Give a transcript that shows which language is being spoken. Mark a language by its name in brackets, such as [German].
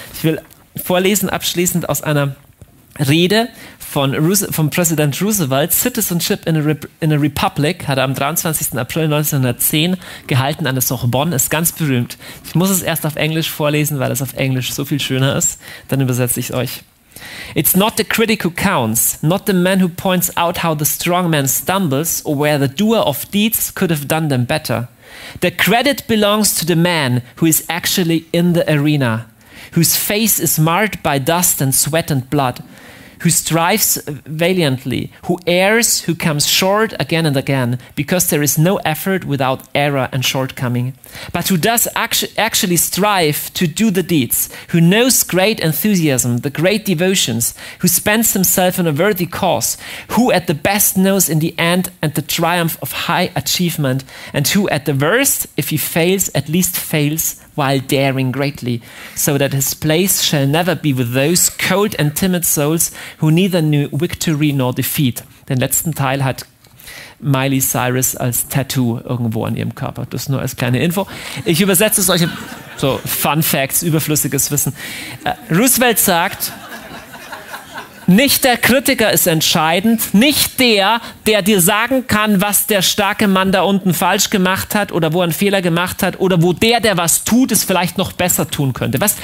[German] Ich will vorlesen abschließend aus einer Rede von Präsident Roosevelt, Citizenship in a Republic, hat er am 23. April 1910 gehalten an der Sorbonne, ist ganz berühmt. Ich muss es erst auf Englisch vorlesen, weil es auf Englisch so viel schöner ist. Dann übersetze ich es euch. [English] It's not the critic who counts, not the man who points out how the strong man stumbles or where the doer of deeds could have done them better. The credit belongs to the man who is actually in the arena, whose face is marred by dust and sweat and blood, who strives valiantly, who errs, who comes short again and again, because there is no effort without error and shortcoming, but who does actually strive to do the deeds, who knows great enthusiasm, the great devotions, who spends himself in a worthy cause, who at the best knows in the end and the triumph of high achievement, and who at the worst, if he fails, at least fails while daring greatly, so that his place shall never be with those cold and timid souls who neither knew victory nor defeat. [German] Den letzten Teil hat Miley Cyrus als Tattoo irgendwo an ihrem Körper. Das nur als kleine Info. Ich übersetze solche so Fun Facts, überflüssiges Wissen. Roosevelt sagt, nicht der Kritiker ist entscheidend, nicht der, der dir sagen kann, was der starke Mann da unten falsch gemacht hat oder wo er einen Fehler gemacht hat oder wo der, der was tut, es vielleicht noch besser tun könnte. Was?